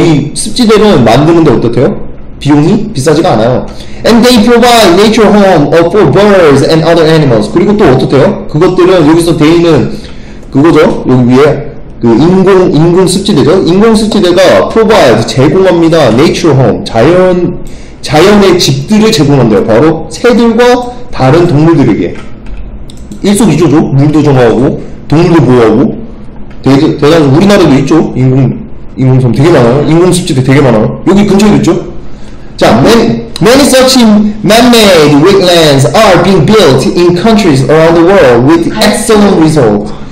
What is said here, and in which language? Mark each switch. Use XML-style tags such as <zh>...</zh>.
<ko>이 습지대를 만드는데 어떻대요? 비용이 비싸지가 않아요.</ko> <en>And they provide nature home for birds and other animals.</en> <ko>그리고 또 어떻대요? 그것들은 여기서 대인은 그거죠. 여기 위에 그 인공 습지대죠. 인공 습지대가 provide 제공합니다. Nature home 자연의 집들을 제공한대요. 바로 새들과 다른 동물들에게. 일석이조죠. 물도 정화하고 동물도 보호하고. 대단히 우리나라도 있죠. 인공섬 되게 많아요. 인공습지대 되게 많아요. 여기 근처에도 있죠. 자,</ko> <en>Many such man-made wetlands are being built in countries around the world with excellent results.</en>